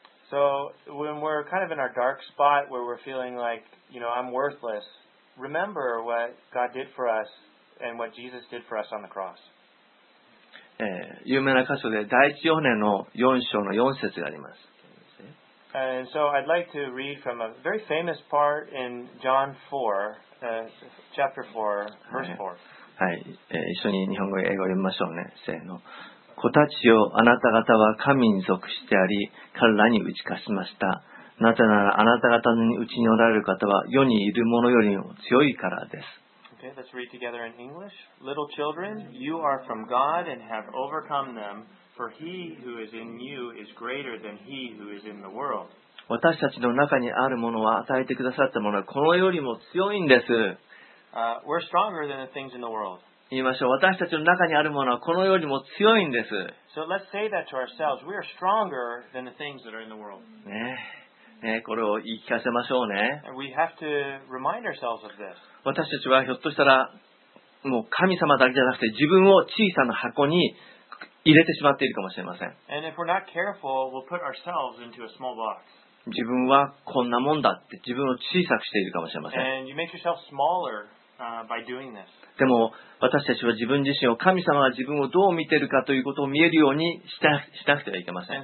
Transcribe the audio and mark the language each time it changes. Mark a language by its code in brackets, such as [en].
[en] So when we're kind of in our dark spot where we're feeling like, you know, I'm worthless. Remember what God did for us and what Jesus did for us on the cross. [ja] 有名な箇所で第一ヨハネの4章の4節があります。 [en] And so I'd like to read from a very famous part in John 4, chapter 4, verse 4. [ja] はい、一緒に日本語英語読みましょうね。せーの。子たちよ、あなた方は神に属してあり、彼らに打ち勝ちました。なぜならあなた方のうちにおられる方は世にいるものよりも強いからです。 [en] Okay, let's read together in English. Little children, you are from God and have overcome them, for he who is in you is greater than he who is in the world. [ja] 私たちの中にあるものは与えてくださったものはこのよりも強いんです。 [en] We're stronger than the things in the world. [ja] 言いましょう。私たちの中にあるものはこのよりも強いんです。 [en] So let's say that to ourselves. We are stronger than the things that are in the world. [ja] ね、ね、これを言い聞かせましょうね。 [en] And we have to remind ourselves of this. [ja] 私たちはひょっとしたらもう神様だけじゃなくて自分を小さな箱に入れてしまっているかもしれません。 [en] And if we're not careful, we'll put ourselves into a small box. [ja] 自分はこんなもんだって自分を小さくしているかもしれません。 [en] And you make yourself smaller, by doing this. [ja] でも私たちは自分自身を神様が自分をどう見ているかということを見えるようにしなくてはいけません。